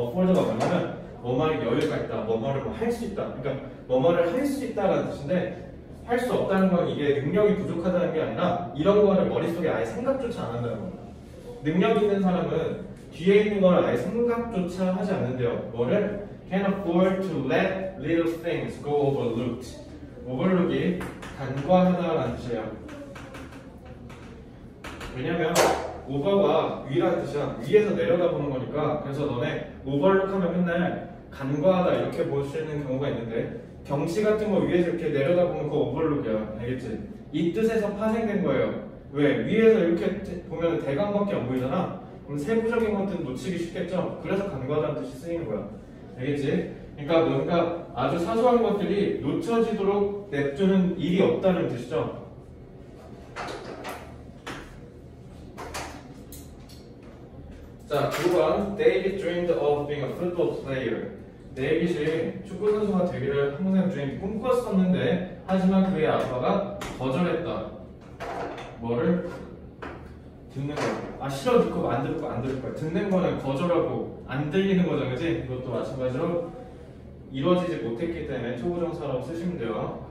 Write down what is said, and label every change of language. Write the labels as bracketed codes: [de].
[ko] afford가 뭐냐면 뭐뭐를 여유가 있다, 뭐뭐를 뭐 할 수 있다. 그러니까 뭐뭐를 할 수 있다라는 뜻인데 할 수 없다는 건 이게 능력이 부족하다는 게 아니라 이런 거를 머릿속에 아예 생각조차 안 한다는 겁니다. 능력 있는 사람은 뒤에 있는 걸 아예 생각조차 하지 않는데요. 뭐를? [en] Can afford to let little things go overlooked. [ko] overlook이 간과하다라는 뜻이에요. 왜냐면 over가 위라는 뜻이야. 위에서 내려다 보는 거니까. 그래서 너네 overlook하면 맨날 간과하다 이렇게 볼 수 있는 경우가 있는데 경치 같은 거 위에서 이렇게 내려다 보면 그거 overlook이야. 알겠지? 이 뜻에서 파생된 거예요. 왜? 위에서 이렇게 보면 대강밖에 안 보이잖아. 그럼 세부적인 것들은 놓치기 쉽겠죠? 그래서 간과하다는 뜻이 쓰이는 거야. 알겠지? 그러니까 뭔가 아주 사소한 것들이 놓쳐지도록 냅두는 일이 없다는 뜻이죠. 자, 9번. [en] David dreamed of being a football player. [ko] 데이빗이 축구선수가 되기를 평생 dreamed, 꿈꿨었는데 하지만 그의 아빠가 거절했다. 뭐를? 듣는 거. 아, 싫어 듣고 안 듣고 안 들을 거야. 듣는 거는 거절하고 안 들리는 거잖아, 그치? 그것도 마찬가지로 이루어지지 못했기 때문에 초보정사라고 쓰시면 돼요.